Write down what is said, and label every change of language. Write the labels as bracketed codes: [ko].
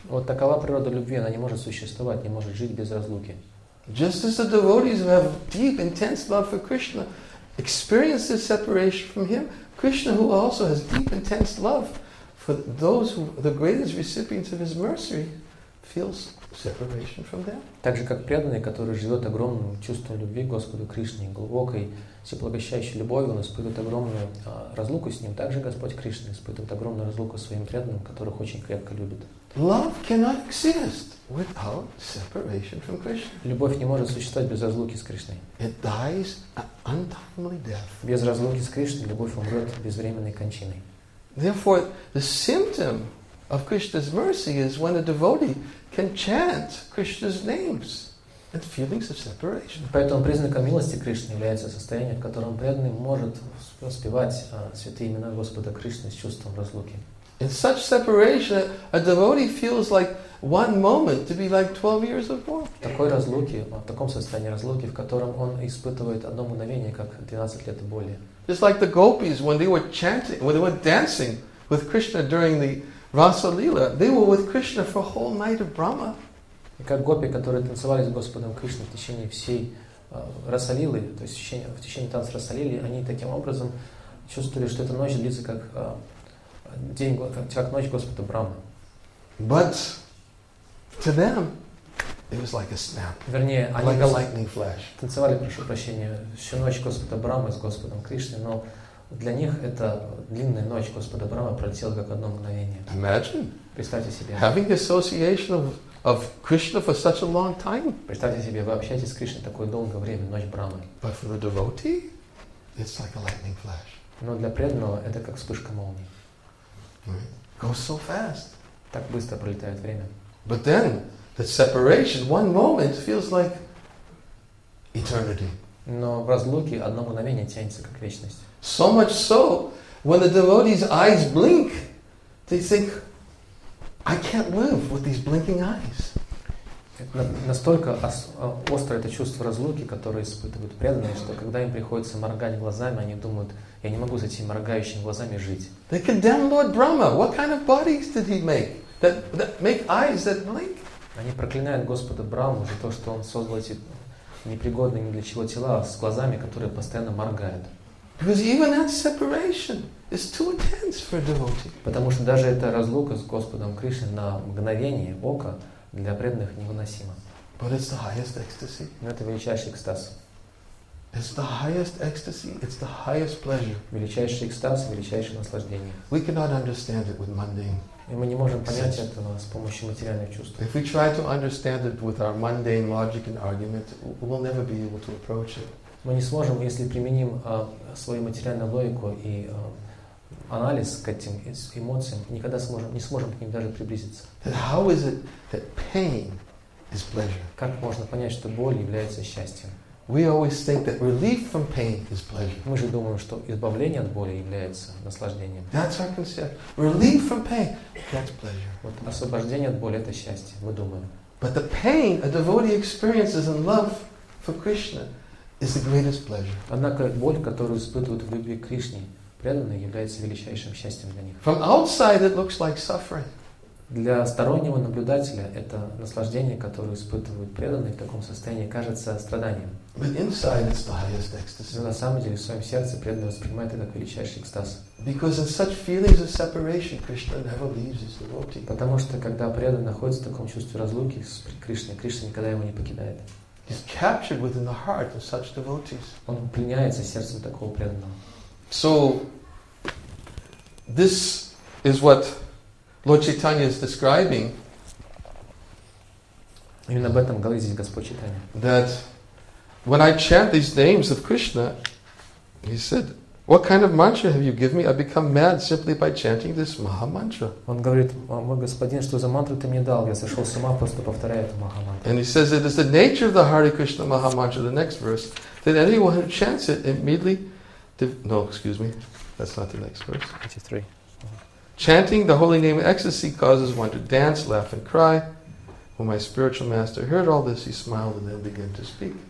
[ru] Вот такова природа любви, она не может существовать, не может жить без разлуки. [en] Just as the devotees who have deep, intense love for Krishna experience this separation from him, Krishna, who also has deep, intense love for those who are the greatest recipients of his mercy, feels separation from them. [ru] Так же, как преданный, который живет огромным чувством любви к Господу Кришне, глубокой, всеблагощающей любовью, он испытывает огромную разлуку с ним, так же Господь Кришна испытывает огромную разлуку с своим преданным, которых очень крепко любит. [en] Love cannot exist without separation from Krishna. [ru] Любовь не может существовать без разлуки с Кришной. [en] It dies an untimely death. [ru] Без разлуки с Кришной любовь умрет безвременной кончиной. [en] Therefore, the symptom of Krishna's mercy is when a devotee can chant Krishna's names and feelings of separation. [ru] Поэтому признаком милости Кришны является состояние, в котором преданный может воспевать святые имена Господа Кришны с чувством разлуки. [en] In such separation, a devotee feels like one moment to be like 12 years of war. [ru] В такой разлуке, в таком состоянии разлуки, в котором он испытывает одно мгновение, как 12 лет боли. [en] Just like the gopis, when they were chanting, when they were dancing with Krishna during the Rasa Lila, they were with Krishna for a whole night of Brahma. [ru] И как гопи, которые танцевали с Господом Кришной в течение всей Раса Лилы, то есть в течение танца Раса Лилы, они таким образом чувствовали, что эта ночь длится как день, как ночь Господа Брамы. [en] But to them it was like a snap. [ru] Вернее, они [en] like a lightning flash. [ru] Танцевали, прошу прощения, всю ночь Господа Брамы с Господом Кришной, но для них эта длинная ночь Господа Брамы пролетела как одно мгновение. [en] Imagine. [ru] Представьте себе. [en] Having the association of Krishna for such a long time. [ru] Представьте себе, вы общаетесь с Кришной такое долгое время, ночь Брамы. [en] But for the devotee, it's like a lightning flash. [ru] Но для преданного это как вспышка молнии. [en] Goes so fast. [ru] Так быстро пролетает время. [en] But then the separation, one moment feels like eternity. [ru] Но в разлуке одно мгновение тянется как вечность. [en] So much so, when the devotee's eyes blink, they think, I can't live with these blinking eyes. [ru] Настолько остро это чувство разлуки, которое испытывают преданные, что когда им приходится моргать глазами, они думают, я не могу с этими моргающими глазами жить. [en] They condemn Lord Brahma. What kind of bodies did he make that make eyes that blink? [ru] Они проклинают Господа Браму за то, что он создал эти непригодные ни для чего тела с глазами, которые постоянно моргают. [en] Because even that separation is too intense for a devotee. [ru] Потому что даже эта разлука с Господом Кришной на мгновение ока для преданных невыносима. [en] But it's the highest ecstasy. [ru] Но это величайший экстаз. [en] It's the highest ecstasy. It's the highest pleasure. [ru] Величайший экстаз, величайшее наслаждение. [en] We cannot understand it with mundane. [ru] И мы не можем понять этого с помощью материальных чувств. [en] If we try to understand it with our mundane logic and argument, we will never be able to approach it. [ru] Мы не сможем, если применим свою материальную логику и анализ к этим эмоциям, никогда не сможем к ним даже приблизиться. [en] Then how is it that pain is pleasure? [ru] Как можно понять, что боль является счастьем? [en] We always think that relief from pain is pleasure. [ru] Мы же думаем, что избавление от боли является наслаждением. [en] That's our concept. Relief from pain, that's pleasure. [ru] Вот освобождение от боли — это счастье, мы думаем. [en] But the pain a devotee experiences in love for Krishna is the greatest pleasure. [ru] Однако боль, которую испытывают в любви к Кришне, преданные, является величайшим счастьем для них. [en] From outside, it looks like suffering. [ru] Для стороннего наблюдателя это наслаждение, которое испытывают преданные в таком состоянии, кажется страданием. [en] But inside it's the highest ecstasy. [ru] Но на самом деле в своем сердце преданный воспринимает это как величайший экстаз. [en] Because in such feelings of separation, Krishna never leaves his devotee. [ru] Потому что когда преданный находится в таком чувстве разлуки с Кришной, Кришна никогда его не покидает. [en] He's captured within the heart of such devotees. [ru] Он пленяется сердцем такого преданного. [en] So this is what Lord Chaitanya is describing. [ru] Именно об этом говорит здесь Господь Чайтанья. [en] That when I chant these names of Krishna, he said, "What kind of mantra have you given me? I become mad simply by chanting this maha mantra." [ru] Он говорит, мой господин, что за мантру ты мне дал? Я сошел с ума просто повторяя эту маха мантру. [en] And he says, "It is the nature of the Hare Krishna maha mantra." The next verse, that anyone who chants it immediately, that's not the next verse. 23. Chanting the holy name in ecstasy causes one to dance, laugh, and cry. When my spiritual master heard all this, he smiled and then began to speak.